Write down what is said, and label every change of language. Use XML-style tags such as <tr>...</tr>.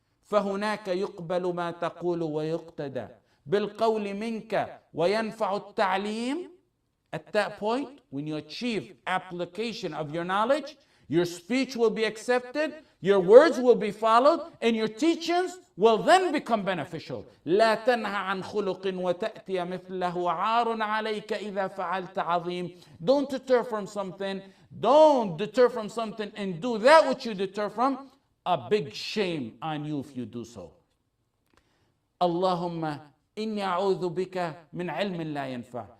<ar>فهناك يقبل ما تقول ويقتدى بالقول منك وينفع التعليم.</ar> <en>At that point, when you achieve application of your knowledge, your speech will be accepted, your words will be followed, and your teachings will then become beneficial.</en> <ar>لا تنهى عن خلق وتأتي مثله عار عليك إذا فعلت عظيم.</ar> <en>Don't deter from something. Don't deter from something and do that which you deter from. A big shame on you if you do so.</en> <ar>اللهم إني أعوذ بك من علم لا ينفع.</ar>